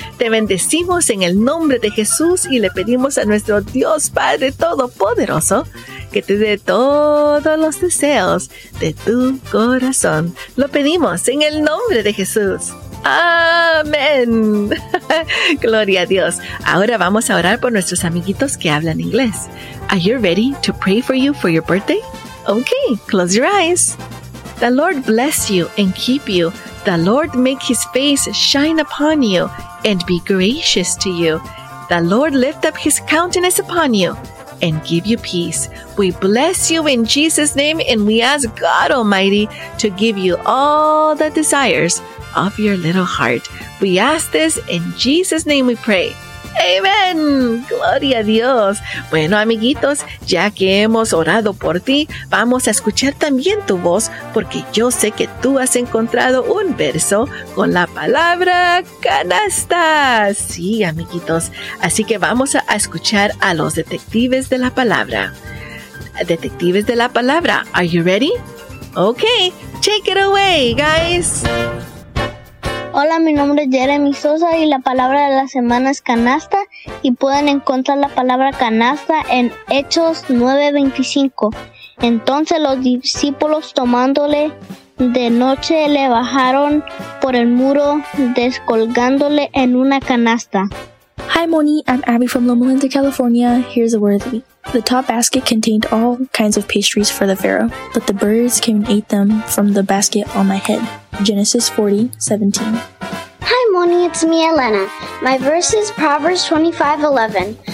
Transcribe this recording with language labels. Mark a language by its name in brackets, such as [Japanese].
[Spanish] Te bendecimos en el nombre de Jesús y le pedimos a nuestro Dios Padre Todopoderoso que te dé todos los deseos de tu corazón. Lo pedimos en el nombre de Jesús. ¡Amén! ¡Gloria a Dios! Ahora vamos a orar por nuestros amiguitos que hablan inglés. [English] Are you ready to pray for you for your birthday? Okay, close your eyes. The Lord bless you and keep you. The Lord make His face shine upon you and be gracious to you. The Lord lift up His countenance upon you and give you peace. We bless you in Jesus' name and we ask God Almighty to give you all the desires of your little heart. We ask this in Jesus' name we pray. [Spanish] Amen. Gloria a Dios. Bueno, amiguitos, ya que hemos orado por ti, vamos a escuchar también tu voz, porque yo sé que tú has encontrado un verso con la palabra canasta. Sí, amiguitos. Así que vamos a escuchar a los detectives de la palabra. Detectives de la palabra, [English] are you ready? Okay, take it away, guys. [Spanish] Hola, mi nombre es Jeremy Sosa y la palabra de la semana es canasta y pueden encontrar la palabra canasta en Hechos 9:25. Entonces los discípulos tomándole de noche le bajaron por el muro descolgándole en una canasta. [English] Hi Moni, I'm Abby from Loma Linda, California. Here's a word of the week. The top basket contained all kinds of pastries for the Pharaoh, but the birds came and ate them from the basket on my head. Genesis 40:17. Hi Moni, it's me Elena. My verse is Proverbs 25:11.